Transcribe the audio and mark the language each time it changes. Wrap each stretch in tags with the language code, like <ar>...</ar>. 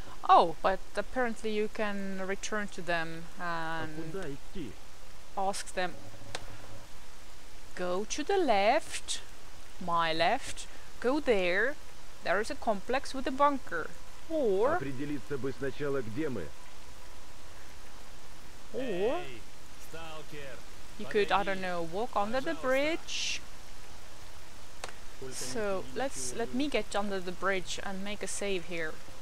<en>Oh, but apparently you can return to them and ask them. Go to the left, my left, go there. There is a complex with a bunker. Or.</en> <ru>Определиться бы сначала, где мы.</ru> <en>Or. You could, I don't know, walk under the bridge. So let me get under the bridge and make a save here.</en>